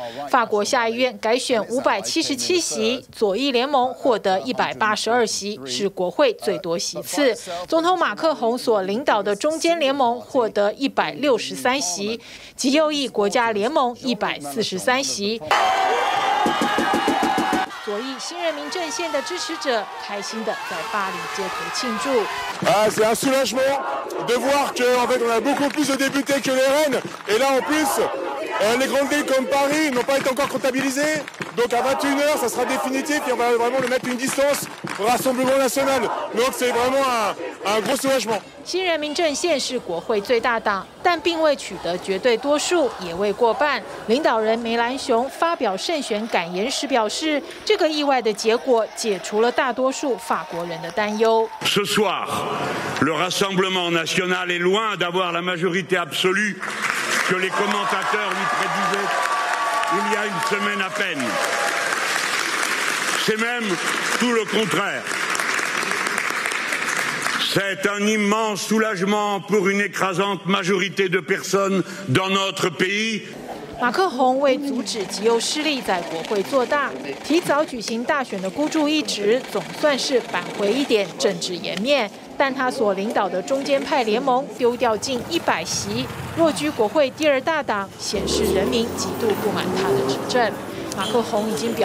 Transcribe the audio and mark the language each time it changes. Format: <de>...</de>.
<zh>法国下议院改选577席，左翼联盟获得182席，是国会最多席次。总统马克宏所领导的中间联盟获得163席，极右翼国家联盟143席。左翼新人民阵线的支持者开心地在巴黎街头庆祝。</zh> <fr>C'est un soulagement de voir que en fait on a beaucoup plus de députés que les Rennes. Et là en plus, les grandes villes comme Paris n'ont pas été encore comptabilisées. Donc à 21h, ça sera définitif et on va vraiment le mettre une distance au Rassemblement national. Donc c'est vraiment un gros soulagement.</fr> <zh>新人民阵线是国会最大党，但并未取得绝对多数，也未过半。领导人梅兰雄发表胜选感言时表示，这个意外的结果解除了大多数法国人的担忧。</zh> <fr>Ce soir, le Rassemblement national est loin d'avoir la majorité absolue que les commentateurs lui prédisaient il y a une semaine à peine. C'est même tout le contraire. C'est un immense soulagement pour une écrasante majorité de personnes dans notre pays.</fr> <zh>马克宏为阻止极右势力在国会做大，提早举行大选的孤注一掷总算是扳回一点政治颜面，但他所领导的中间派联盟丢掉近100席，弱居国会第二大党，显示人民极度不满他的执政。</zh>